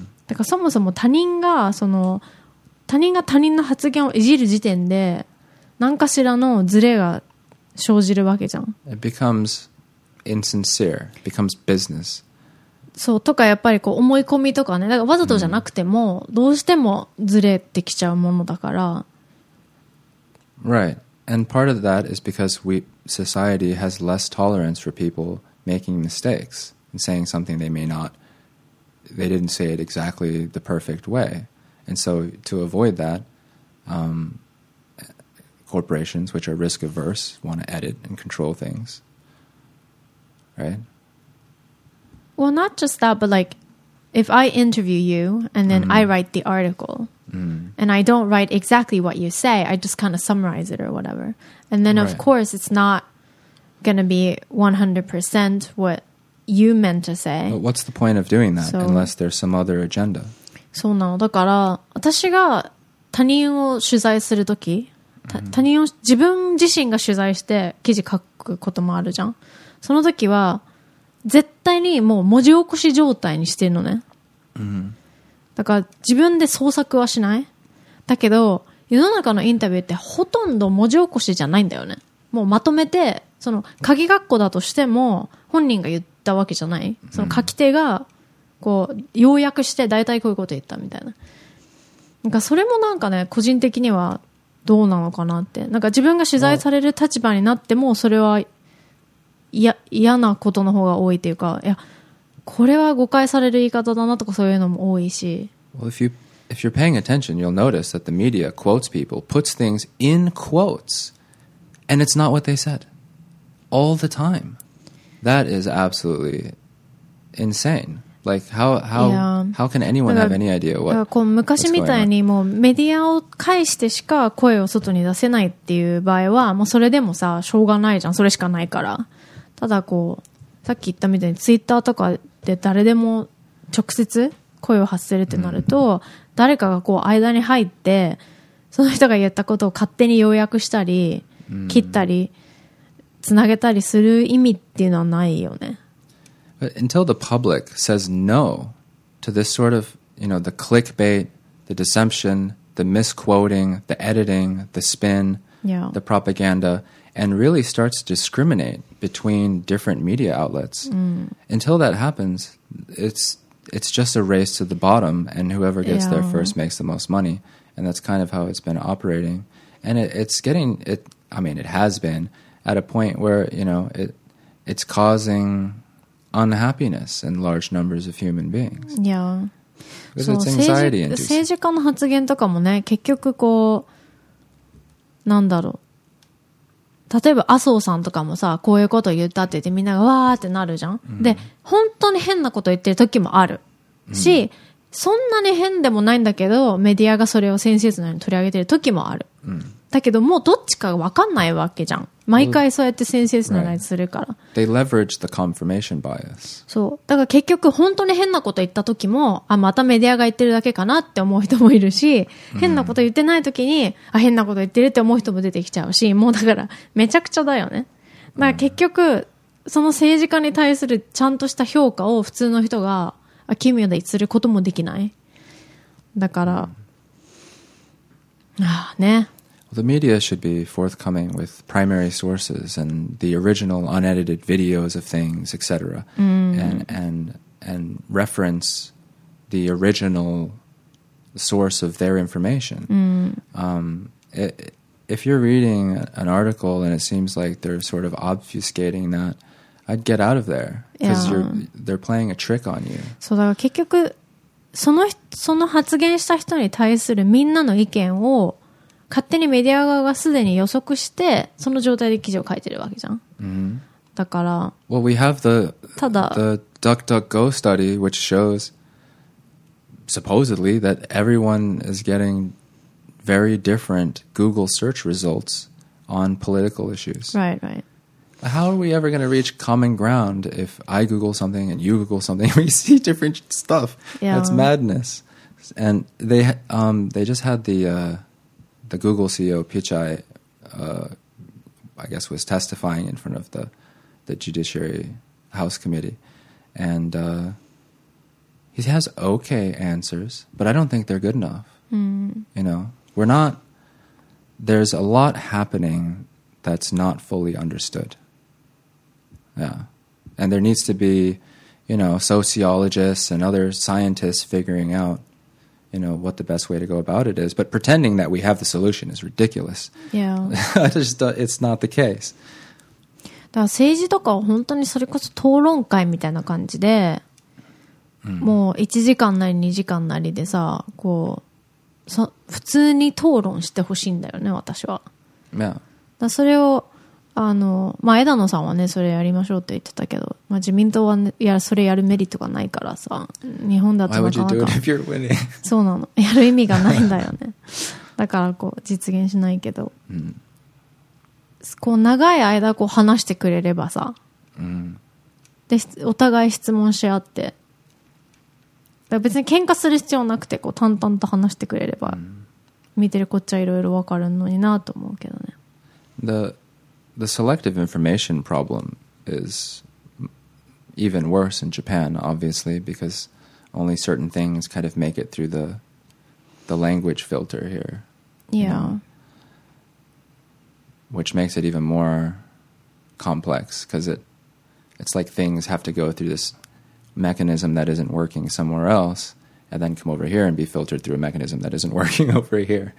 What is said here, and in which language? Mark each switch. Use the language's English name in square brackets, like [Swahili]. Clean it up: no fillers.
[Japanese] だからそもそも他人が、その、他人が他人の発言をいじる時点で、何かしらのズレが生じるわけじゃん。 [English] It becomes insincere. It becomes business. [Japanese] そうとかやっぱりこう思い込みとかね、だからわざとじゃなくてもどうしてもずれてきちゃうものだから。 [English] Right, and part of that is because we society has less tolerance for people making mistakes and saying something they may not, they didn't say it exactly the perfect way, and so to avoid that, corporations which are risk averse want to edit and control things, right? Well, not just that, but like, if I interview you and then I write the article and I don't write exactly what you say, I just kind of summarize it or whatever. And then, of course, it's not going to be 100% what you meant to say. But what's the point of doing that unless there's some other agenda? [Japanese] そうなの。だから、私が他人を取材するとき、他人を、自分自身が取材して記事書くこともあるじゃん。そのときは、絶対にもう文字起こし状態にしてるのね、だから自分で創作はしない。だけど世の中のインタビューってほとんど文字起こしじゃないんだよね。もうまとめて、その鍵括弧だとしても本人が言ったわけじゃない。その書き手がこう要約して大体こういうこと言ったみたいな。なんかそれもなんかね、個人的にはどうなのかなって。なんか自分が取材される立場になってもそれはいや、嫌なことの方が多いというか、いや、これは誤解される言い方だなとかそういうのも多いし。 [English] Well, if you're paying attention, you'll notice that the media quotes people, puts things in quotes, and it's not what they said. All the time. That is absolutely insane. Like, how can anyone have any idea what, [Japanese] だからこう昔みたいにもうメディアを介してしか声を外に出せないっていう場合は、もうそれでもさ、しょうがないじゃん。それしかないから。ただこう、さっき言ったみたいにツイッターとかで誰でも直接声を発せるってなると、誰かがこう間に入って、その人が言ったことを勝手に要約したり、切ったり、つなげたりする意味っていうのはないよね。 [English] But until the public says no to this sort of, you know, the clickbait, the deception, the misquoting, the editing, the spin, the propaganda... And really starts to discriminate between different media outlets. Until that happens, it's just a race to the bottom, and whoever gets there first makes the most money. And that's kind of how it's been operating. And it has been at a point where, you know, it's causing unhappiness in large numbers of human beings. Yeah. Because it's anxiety-inducing. [Japanese] 政治家の発言とかもね、結局こう、なんだろう。例えば麻生さんとかもさ、こういうこと言ったって言ってみんながわーってなるじゃん。で、本当に変なこと言ってる時もあるし、そんなに変でもないんだけど、メディアがそれをセンセーショナルに取り上げてる時もある。だけどもうどっちか分かんないわけじゃん。毎回そうやってセンセーショナルするから。 [English] Right. They leverage the confirmation bias. [Japanese] そう。だから結局本当に変なこと言った時も、あ、またメディアが言ってるだけかなって思う人もいるし、変なこと言ってない時に、あ、変なこと言ってるって思う人も出てきちゃうし、もうだからめちゃくちゃだよね。だから結局、その政治家に対するちゃんとした評価を普通の人がアキミュデイすることもできない。だから、ああね。 [English] The media should be forthcoming with primary sources and the original unedited videos of things, etc. And reference the original source of their information. If you're reading an article and it seems like they're sort of obfuscating that, I'd get out of there because they're playing a trick on you. [Japanese] そうだから結局その発言した人に対するみんなの意見を勝手にメディア側がすでに予測してその状態で記事を書いてるわけじゃん。だから、 [English] Well, we have the DuckDuckGo study, which shows supposedly that everyone is getting very different Google search results on political issues. Right, right. How are we ever going to reach common ground if I Google something and you Google something and we see different stuff? Yeah. That's madness. And they just had the Google CEO Pichai, I guess, was testifying in front of the Judiciary House Committee. And he has okay answers, but I don't think they're good enough. Mm. You know, we're not... There's a lot happening that's not fully understood. Yeah. And there needs to be, you know, sociologists and other scientists figuring out, you know, what the best way to go about it is. But pretending that we have the solution is ridiculous. Yeah. It's not the case. [Japanese] だから政治とかは本当にそれこそ討論会みたいな感じで、もう1時間なり2時間なりでさ、こう、普通に討論してほしいんだよね、私は。 [English] Yeah. [Japanese] だそれを、まあ、枝野さんはねそれやりましょうって言ってたけど、まあ、自民党は、ね、いやそれやるメリットがないからさ、日本だとなかなか、そうなの、やる意味がないんだよね。だからこう実現しないけど、こう長い間こう話してくれればさ、でお互い質問し合って、だから別に喧嘩する必要なくて、こう淡々と話してくれれば、見てるこっちはいろいろ分かるのになと思うけどね。 [English] The selective information problem is even worse in Japan, obviously, because only certain things kind of make it through the language filter here. Yeah. You know? Which makes it even more complex, because it's like things have to go through this mechanism that isn't working somewhere else, and then come over here and be filtered through a mechanism that isn't working over here.